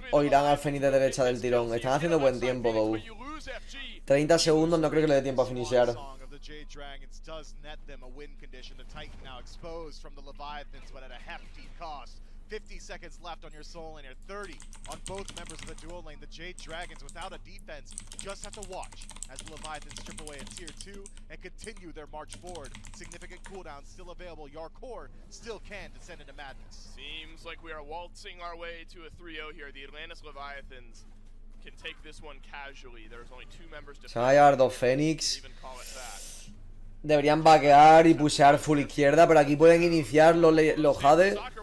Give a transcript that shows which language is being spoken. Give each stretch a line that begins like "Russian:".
Spanish: O irán al Fenix de derecha del tirón. Están haciendo buen tiempo, Dou. 30 segundos. No creo que le dé tiempo a finishear.
English: J Dragons does net them a win condition. The Titan now exposed from the Leviathans, but at a hefty cost. 50 seconds left on your soul and your 30 on both members of the duo lane. The J Dragons, without a defense, just have to watch as the Leviathans strip away at tier 2 and continue their march forward. Significant cooldown still available. Yarkor still can descend into madness. Seems like we are waltzing our way to a 3-0 here. The Atlantis Leviathans can take this one casually. There's only two members to play.
Spanish: Sayardo Fénix. Deberían vaquear y pushear full izquierda, pero aquí pueden iniciar los Jade.